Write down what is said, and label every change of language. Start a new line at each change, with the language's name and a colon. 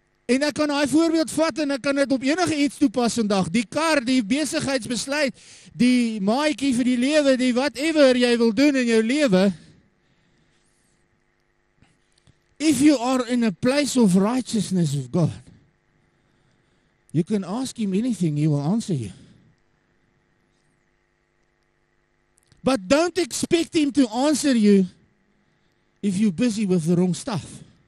Afrikaans: En ek kan daai voorbeeld vat en ek kan dit op enige iets toepas vandag. Die kar, die besigheidsbesluit, die maatjie vir die lewe, die whatever jy wil doen in jou lewe.
English: If you are in a place of righteousness of God, you can ask him anything, he will answer you. But don't expect him to answer you if you're busy with the wrong stuff.